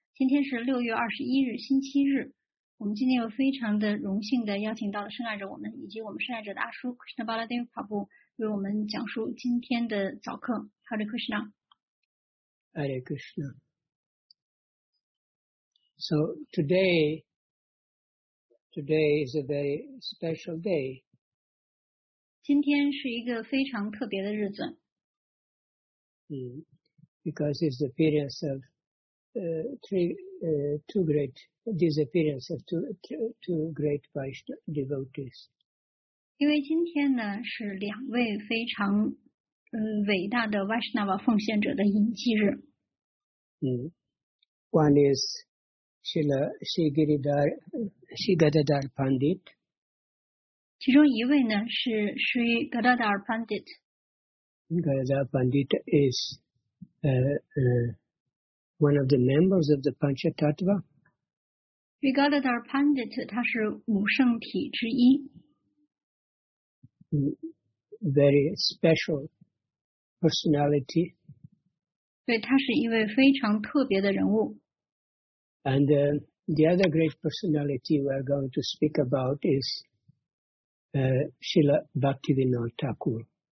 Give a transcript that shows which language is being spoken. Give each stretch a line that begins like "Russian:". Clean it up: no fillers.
Chinese: 今天是6月21日，星期日。我们今天又非常的荣幸的邀请到了深爱着我们以及我们深爱着的阿叔 Krishna Baladev Prabhu 为我们讲述今天的早课。Hare Krishna。
Sanskrit: Hare Krishna。
English: So today is a very special day。
Chinese: 今天是一个非常特别的日子。
English: Because it's the appearance of two great Vaishnava devotees.
Chinese: 因为今天呢是两位非常伟大的 Vaishnava 奉献者的隐居日。
English: One is Shri Gadadhar Pandit.
Chinese: 其中一位呢是 Shri Gadadhar Pandit.
English: Gadadhar Pandita is one of the members of the Panchatattva.
Chinese: Gadadhar Pandita, 他是五圣体之一。
English: Very special personality.
Chinese: 对，他是一位非常特别的人物。
English: And the other great personality we are going to speak about is Srila Bhaktivinoda Thakur.